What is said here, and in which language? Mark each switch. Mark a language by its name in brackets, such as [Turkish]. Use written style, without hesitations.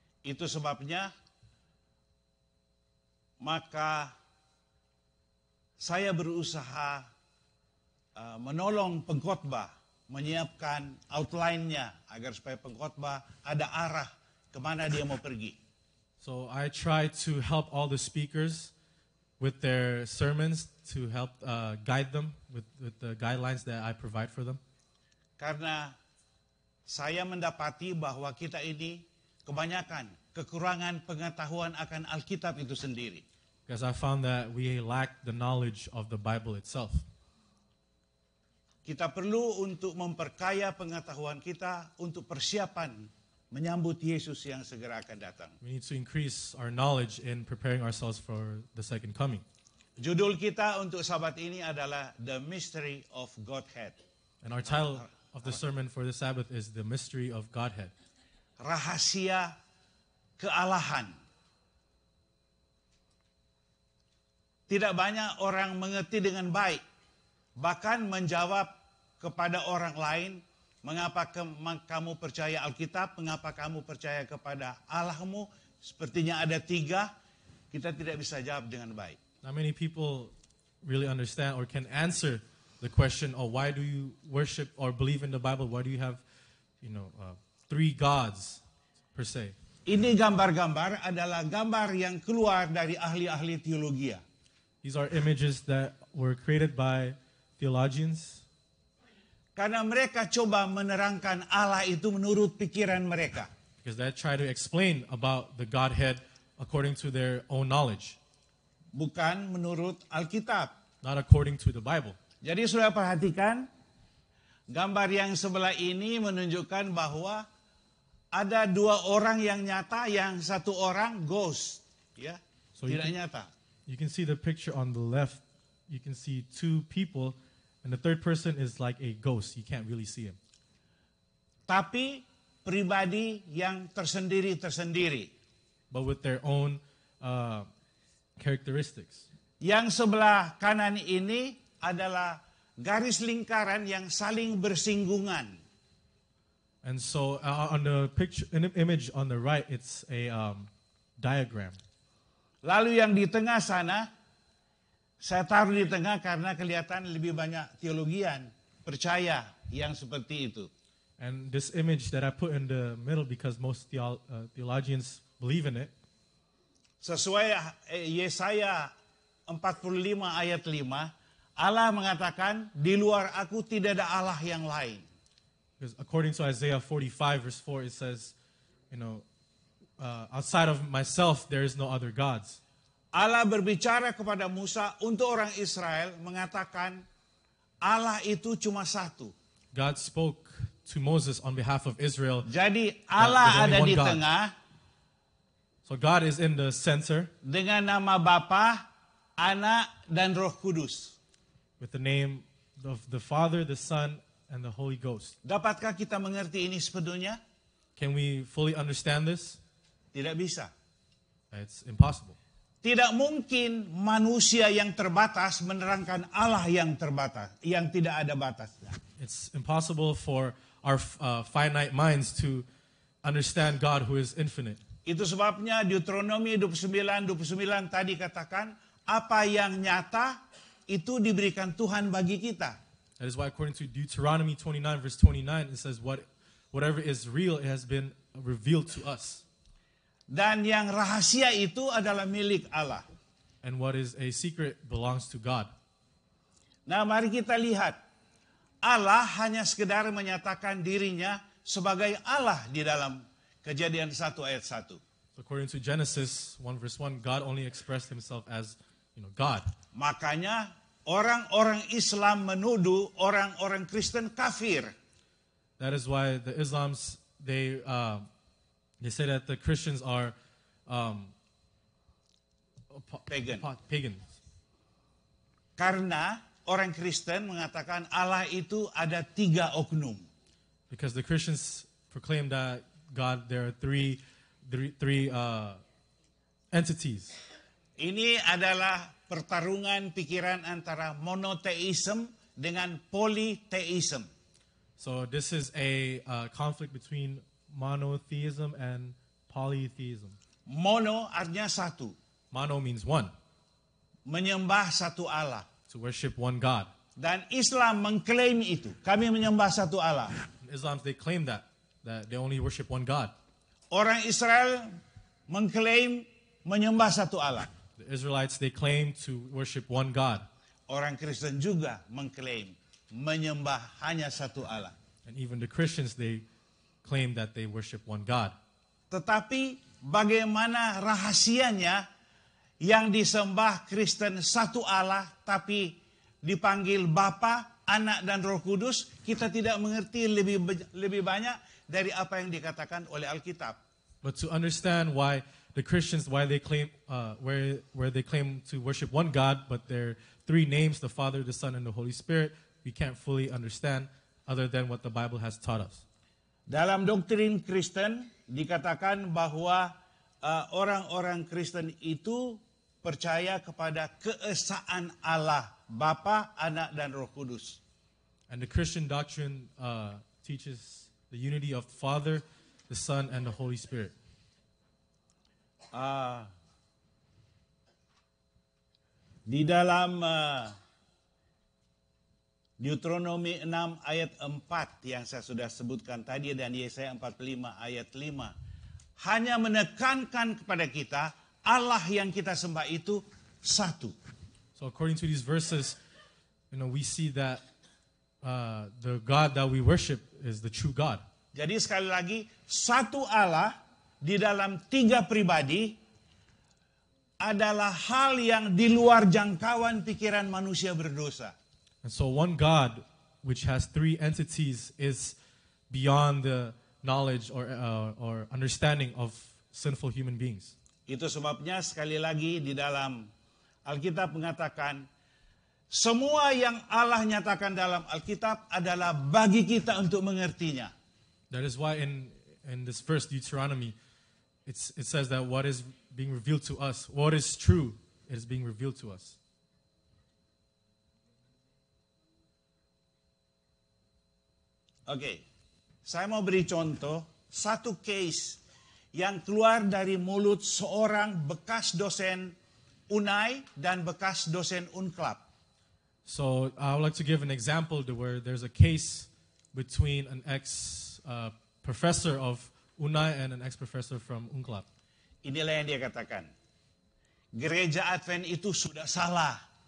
[Indonesian] Itu sebabnya, maka saya berusaha menolong pengkhotbah menyiapkan outline-nya agar supaya pengkhotbah ada arah kemana dia mau pergi. [English] So I try to help all the speakers with their sermons to help guide them with the guidelines that I provide for them. [Indonesian] Karena saya mendapati bahwa kita ini kebanyakan kekurangan pengetahuan akan Alkitab itu sendiri. [English] Because I found that we lack the knowledge of the Bible itself. [Indonesian] Kita perlu untuk memperkaya pengetahuan kita untuk persiapan menyambut Yesus yang segera akan datang. [English] We need to increase our knowledge in preparing ourselves for the second coming. [Indonesian] Judul kita untuk Sabat ini adalah [English] The Mystery of Godhead. And our title of the sermon for the Sabbath is The Mystery of Godhead. [Indonesian] Rahasia kealahan. Tidak banyak orang mengerti dengan baik, bahkan menjawab kepada orang lain, mengapa kamu percaya Alkitab, mengapa kamu percaya kepada Allahmu, sepertinya ada tiga, kita tidak bisa jawab dengan baik. [English] Not many people really understand or can answer the question, oh, why do you worship or believe in the Bible, why do you have, you know, three gods per se? [Indonesian] Ini gambar-gambar adalah gambar yang keluar dari ahli-ahli teologi. [English] These are images that were created by theologians. [Indonesian] Karena mereka coba menerangkan Allah itu menurut pikiran mereka. [English] Because they try to explain about the Godhead according to their own knowledge. [Indonesian] Bukan menurut Alkitab. [English] Not according to the Bible. [Indonesian] Jadi sudah perhatikan, gambar yang sebelah ini menunjukkan bahwa ada dua orang yang nyata, yang satu orang ghost. Ya, so tidak nyata. [English] You can see the picture on the left. You can see two people, and the third person is like a ghost. You can't really see him. [Indonesian] Tapi pribadi yang tersendiri-tersendiri. [English] But with their own characteristics. [Indonesian] Yang sebelah kanan ini adalah garis lingkaran yang saling bersinggungan. [English] And so on the picture, in the image on the right, it's a diagram. [Indonesian] Lalu yang di tengah sana Saya taruh di tengah karena kelihatan lebih banyak teologian percaya yang seperti itu. [English] And this image that I put in the middle because most theologians believe in it. [Indonesian] Sesuai Yesaya 45 ayat 5, Allah mengatakan di luar aku tidak ada Allah yang lain. [English] Because according to Isaiah 45 verse 4 it says, you know, outside of myself there is no other gods. [Indonesian] Allah berbicara kepada Musa untuk orang Israel mengatakan Allah itu cuma satu. [English] God spoke to Moses on behalf of Israel. [Indonesian] Jadi Allah ada di tengah. [English] So God is in the center. [Indonesian] Dengan nama Bapa, Anak dan Roh Kudus. [English] With the name of the Father, the Son and the Holy Ghost. [Indonesian] Dapatkah kita mengerti ini sepenuhnya? [English] Can we fully understand this? [Indonesian] Tidak bisa. [English] It's impossible. [Indonesian] Tidak mungkin manusia yang terbatas menerangkan Allah yang terbatas, yang tidak ada batasnya. [English] It's impossible for our finite minds to understand God who is infinite. [Indonesian] Itu sebabnya Deuteronomy 29:29 tadi katakan, apa yang nyata itu diberikan Tuhan bagi kita. [English] That is why according to Deuteronomy 29 verse 29 it says whatever is real it has been revealed to us. [Indonesian] Dan yang rahasia itu adalah milik Allah. [English] And what is a secret belongs to God. [Indonesian] Nah, mari kita lihat. Allah hanya sekedar menyatakan dirinya sebagai Allah di dalam Kejadian 1 ayat 1. [English] According to Genesis 1 verse 1, God only expressed himself as, you know, God. [Indonesian] Makanya orang-orang Islam menuduh orang-orang Kristen kafir. [English] That is why the Islams, they say that the Christians are pagan. [Indonesian] Karena orang Kristen mengatakan Allah itu ada tiga oknum. [English] Because the Christians proclaim that God, there are three entities. [Indonesian] Ini adalah pertarungan pikiran antara monotheism dengan polytheism. [English] So this is a conflict between monotheism and polytheism. [Indonesian] Mono artinya satu. [English] Mono means one. [Indonesian] Menyembah satu Allah. [English] To worship one God. [Indonesian] Dan Islam mengklaim itu. Kami menyembah satu Allah. [English] Islam, they claim that they only worship one God. [Indonesian] Orang Israel mengklaim menyembah satu Allah. [English] The Israelites, they claim to worship one God. [Indonesian] Orang Kristen juga mengklaim menyembah hanya satu Allah. [English] And even the Christians, they claim that they worship one God. [Indonesian] Tetapi bagaimana rahasianya yang disembah Kristen satu Allah tapi dipanggil Bapa, Anak dan Roh Kudus, kita tidak mengerti lebih banyak dari apa yang dikatakan oleh Alkitab. [English] But to understand why the Christians, why they claim where they claim to worship one God, but there are three names, the Father, the Son and the Holy Spirit, we can't fully understand other than what the Bible has taught us. [Indonesian] Dalam doktrin Kristen dikatakan bahwa orang-orang Kristen itu percaya kepada keesaan Allah, Bapa, Anak dan Roh Kudus. [English] And the Christian doctrine teaches the unity of the Father, the Son and the Holy Spirit. [Indonesian] Di dalam Deuteronomi 6 ayat 4 yang saya sudah sebutkan tadi dan Yesaya 45 ayat 5 hanya menekankan kepada kita Allah yang kita sembah itu satu. [English] So according to these verses, you know, we see that the God that we worship is the true God. [Indonesian] Jadi sekali lagi, satu Allah di dalam tiga pribadi adalah hal yang di luar jangkauan pikiran manusia berdosa. [English] And so one God which has three entities is beyond the knowledge or understanding of sinful human beings. [Indonesian] Itu sebabnya sekali lagi di dalam Alkitab mengatakan semua yang Allah nyatakan dalam Alkitab adalah bagi kita untuk mengertinya. [English] That is why in this first Deuteronomy it says that what is being revealed to us, what is true, is being revealed to us. [Indonesian] Okay, saya mau beri contoh satu case yang keluar dari mulut seorang bekas dosen Unai dan bekas dosen Unclub. [English] So I would like to give an example where there's a case between an ex professor of Unai and an ex professor from Unclub. [Indonesian] Inilah yang dia katakan. Gereja Advent itu sudah salah.